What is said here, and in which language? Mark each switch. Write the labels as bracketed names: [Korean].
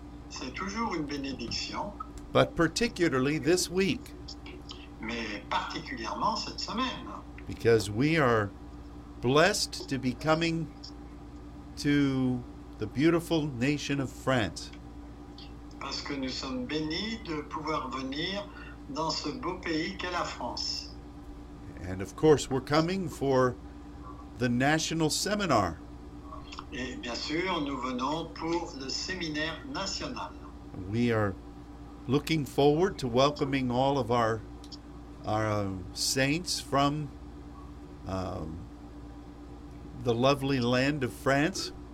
[French] C'est toujours une bénédiction. [English] But particularly this week. [French] Mais particulièrement cette semaine. [English] Because we are blessed to be coming to the beautiful nation of France. [French] Parce que nous sommes bénis de pouvoir venir dans ce beau pays qu'est la France. [English] And of course, we're coming for the national seminar. [French] Et bien sûr, nous venons pour le séminaire national. [English] We are looking forward to welcoming all of our saints from the lovely land of France.